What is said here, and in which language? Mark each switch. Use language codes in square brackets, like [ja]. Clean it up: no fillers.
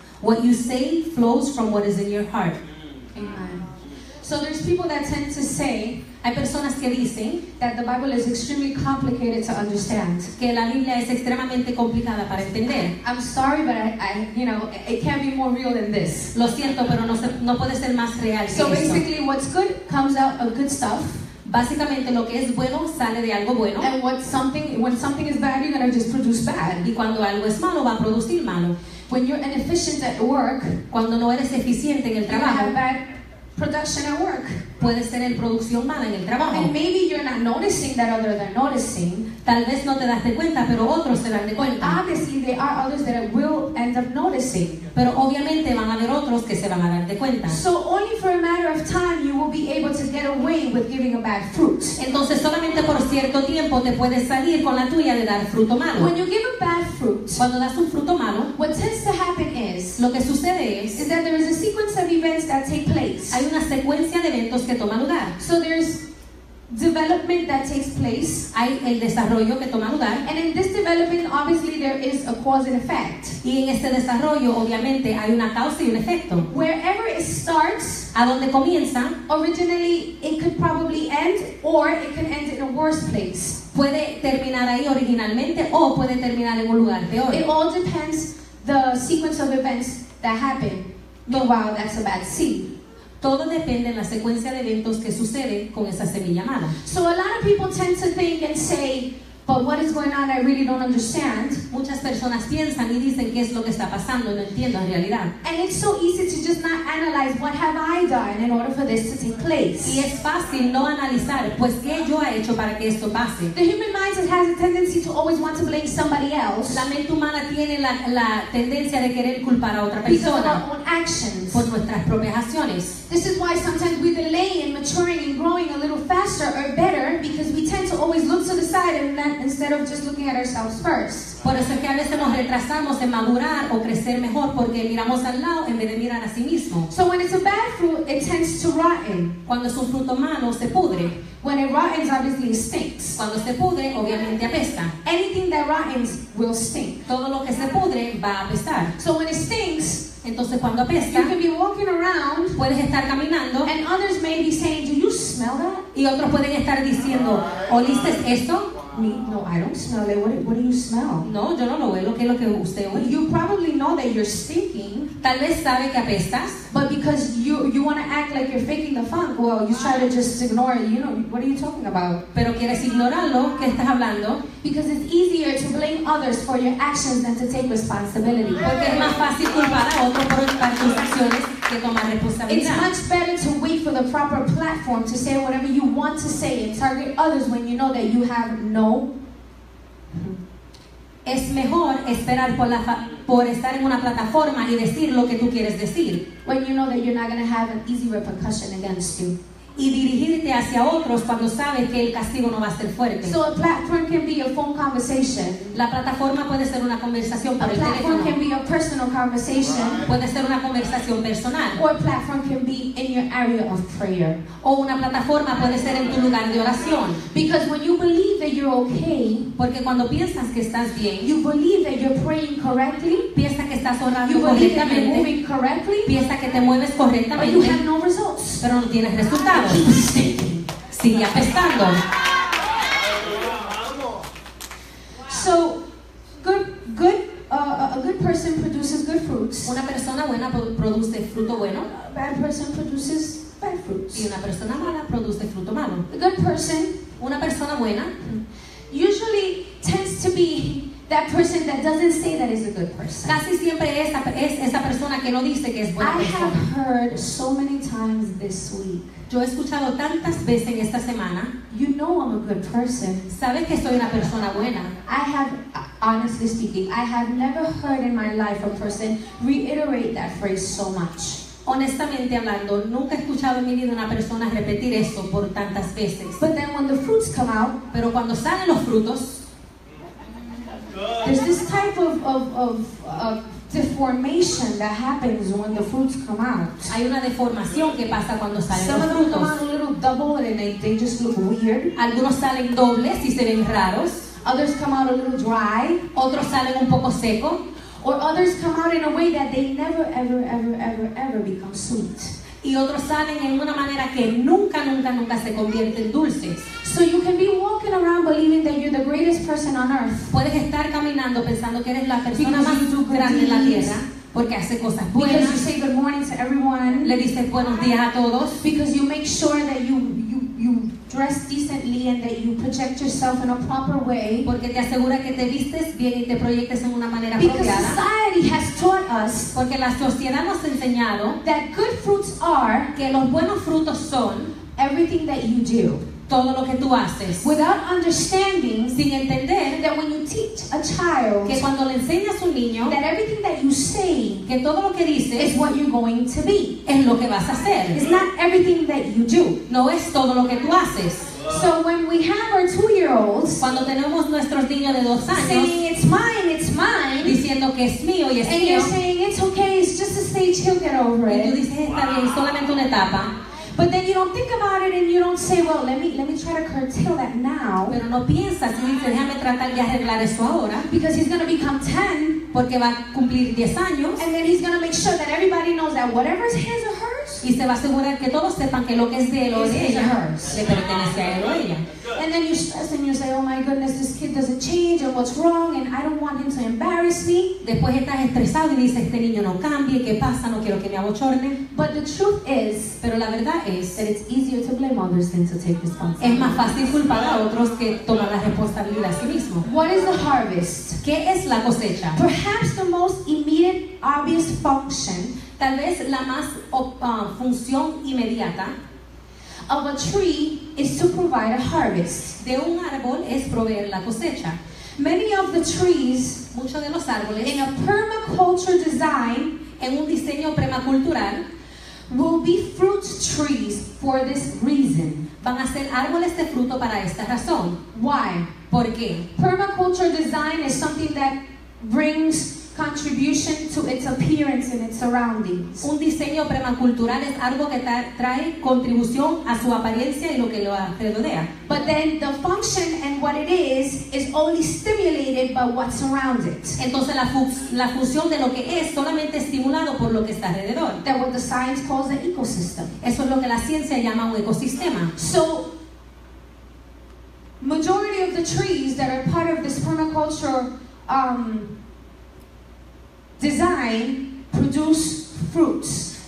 [en] What you say flows from what is in your heart. Amen. So there's people that tend to say, [es] hay personas que dicen, [en] that the Bible is extremely complicated to understand. [es] Que la Biblia es extremadamente complicada para entender. [en] I'm sorry, but it can't be more real than this. [es] Lo siento, pero no puede ser más real que eso. [en] So basically, what's good comes out of good stuff. [es] Básicamente lo que es bueno sale de algo bueno. [en] And when something is bad, you're going to just produce bad. [es] Y cuando algo es malo va a producir malo. [en] When you're inefficient at work, [es] cuando no eres eficiente en el trabajo, [en] you have bad production at work. [es] Puedes tener producción mala en el trabajo. [en] And maybe you're not noticing that others are noticing. [es] Tal vez no te das de cuenta, pero otros se dan de cuenta. [en] Obviously, there are others that will end up noticing. [es] Pero obviamente van a haber otros que se van a dar de cuenta. [en] So only for a matter of time you will be able to get away with giving a bad fruit. [es] Entonces solamente por cierto tiempo te puedes salir con la tuya de dar fruto malo. [en] When you give a bad fruit, [es] cuando das un fruto malo, [en] what tends to happen is, [es] lo que sucede es, [en] is that there is a sequence of events that take place. [es] Hay una secuencia de eventos que toma lugar. [en] So there's development that takes place. [es] Hay el desarrollo que toma lugar. [en] And in this development, obviously there is a cause and effect. [es] Y en este desarrollo, obviamente, hay una causa y un efecto. [en] Wherever it starts, [es] a donde comienza, [en] originally it could probably end, or it could end in a worse place. [es] Puede terminar ahí originalmente o puede terminar en un lugar peor. [en] It all depends the sequence of events that happen. But wow, that's a bad seed. [es] Todo depende en la secuencia de eventos que sucede con esa semilla mala. [en] So a lot of people tend to think and say, but what is going on? I really don't understand. [es] Muchas personas piensan y dicen qué es lo que está pasando, no entiendo en realidad. [en] And it's so easy to just not analyze what have I done in order for this to take place. [es] Y es fácil no analizar, pues qué yo he hecho para que esto pase. [en] The human mind has a tendency to always want to blame somebody else. [es] La mente humana tiene la tendencia de querer culpar a otra persona. [en] Because of our own actions. [es] Por nuestras propias acciones. [en] This is why sometimes we delay in maturing and growing a little faster or better, because we tend to always look to the side and then instead of just looking at ourselves first. [es] Por eso es que a veces nos retrasamos en madurar o crecer mejor porque miramos al lado en vez de mirar a sí mismo. [en] So when it's a bad fruit, it tends to rotten. [es] Cuando es un fruto malo, se pudre. [en] When it rottens, obviously it stinks. [es] Cuando se pudre, obviamente apesta. [en] Anything that rottens will stink. [es] Todo lo que se pudre va a apestar. [en] So when it stinks, [es] entonces cuando apesta, [en] you can be walking around, [es] puedes estar caminando, [en] and others may be saying, "Do you smell that?" [es] Y otros pueden estar diciendo, ¿oliste esto? [en] No, I don't smell it. What do you smell? [es] No, yo no lo huelo. ¿Qué es lo que usted huele? [en] You probably know that you're stinking. [es] Tal vez sabe que apestas. [en] But because you want to act like you're faking the funk, well, you try to just ignore it. You know, what are you talking about? [es] Pero quieres ignorarlo. ¿Qué estás hablando? [en] Because it's easier to blame others for your actions than to take responsibility. [es] Porque es más fácil culpar a otro por tus acciones que tomar responsabilidad. [en] It's much better to wait for the proper platform to say whatever you want to say and target others when you know that you have no. [es] Es mejor esperar por estar en una plataforma y decir lo que tú quieres decir. [en] When you know that you're not going to have an easy repercussion against you. [es] Y dirigirte hacia otros cuando sabes que el castigo no va a ser fuerte. [en] So a platform can be a phone conversation. [es] La plataforma puede ser una conversación por el teléfono. [en] A platform can be a personal conversation. [es] Puede ser una conversación personal. [en] Or a platform can be in your area of prayer. [es] O una plataforma puede ser en tu lugar de oración. [en] Because when you believe that you're okay, [es] porque cuando piensas que estás bien, [en] you believe that you're praying correctly, [es] piensa que estás orando [en] you [es] correctamente, [en] you believe that you're moving correctly, [es] piensa que te mueves correctamente, [en] but you have no results. [es] Pero no tienes resultados. Sigue apestando. [en] So, a good person produces good fruits. [es] Una persona buena produce fruto bueno. [en] A bad person produces bad fruits. [es] Y una persona mala produce fruto malo. [en] A good person, [es] una persona buena, [en] usually tends to be that person that doesn't say that is a good person. [es] Casi siempre es esa persona que no dice que es buena persona. [en] I have heard so many times this week. [es] Yo he escuchado tantas veces en esta semana. [en] You know I'm a good person. [es] Sabes que soy una persona buena. [en] I have, honestly speaking, I have never heard in my life a person reiterate that phrase so much. [es] Honestamente hablando, nunca he escuchado en mi vida una persona repetir esto por tantas veces. [en] But then when the fruits come out, [es] pero cuando salen los frutos, [en] there's this type of deformation that happens when the fruits come out. [es] Hay una deformación que pasa cuando salen [en] Some [es] los frutos. [en] Some of them come out a little double and they just look weird. [es] Algunos salen dobles y se ven raros. [en] Others come out a little dry. [es] Otros salen un poco seco. [en] Or others come out in a way that they never, ever, ever, ever, ever become sweet. [es] Y otros salen en una manera que nunca, nunca, nunca se convierte en dulces. [en] So you can be walking around believing that you're the greatest person on earth. [es] Puedes estar caminando pensando que eres la persona más grande en la tierra. Porque hace cosas buenas. [en] Because you say good morning to everyone. [es] Le dices buenos días a todos. [en] Because you make sure that you dress decently and that you project yourself in a proper way. [es] Porque te asegura que te vistes bien y te proyectes en una manera apropiada. [en] Because society has taught us, [es] porque la sociedad nos ha enseñado, [en] that good fruits are, [es] que los buenos frutos son, [en] everything that you do, [es] todo lo que tú haces. [en] Without understanding, [es] sin entender, [en] that when you teach a child, [es] que cuando le enseñas a un niño, [en] that everything that you say, [es] que todo lo que dices, [en] is what you're going to be, [es] es lo que vas a hacer. [en] It's not everything that you do, [es] no es todo lo que tú haces. [en] So when we have our 2-year-olds, [es] cuando tenemos nuestros niños de 2 años, [en] saying it's mine, [es] diciendo que es mío y es [en] and [es] mío, [en] and you're saying it's okay, it's just a stage, he'll get over it. [es] Y tú dices está bien, solamente una etapa. [en] But then you don't think about it and you don't say, well, let me try to curtail that now. [es] Pero no piensas, déjame tratar de arreglar eso ahora. [en] Because he's going to become 10. [es] Porque va a cumplir 10 años. [en] And then he's going to make sure that everybody knows that whatever is his or hers. [es] Y se va a asegurar que todos sepan que lo que es de él o de ella, le pertenece a él o ella. [en] And then you stress and you say, oh my goodness, this kid doesn't change and what's wrong and I don't want him to embarrass me. [es] Después estás estresado y dices, este niño no cambie, ¿qué pasa? No quiero que me abochorne. [en] But the truth is, [es] pero la verdad es, [en] that it's easier to blame others than to take responsibility. [es] Es más fácil culpar a otros que tomar la responsabilidad a sí mismo. [en] What is the harvest? [es] ¿Qué es la cosecha? [en] Perhaps the most immediate, obvious function, [es] tal vez la más función inmediata, [en] of a tree is to provide a harvest. [es] De un árbol es proveer la cosecha. [en] Many of the trees, [es] muchos de los árboles, [en] in a permaculture design, [es] en un diseño permacultural, [en] will be fruit trees for this reason. [es] Van a ser árboles de fruto para esta razón. [en] Why? [es] ¿Por qué? [en] Permaculture design is something that brings contribution to its appearance and its surroundings. [es] Un diseño permacultural es algo que trae contribución a su apariencia y lo que lo rodea. [en] But then the function and what it is only stimulated by what surrounds it. [es] Entonces la función de lo que es solamente estimulado por lo que está alrededor. [en] That's what the science calls an ecosystem. [es] Eso es lo que la ciencia llama un ecosistema. [en] So majority of the trees that are part of this permaculture design produce fruits.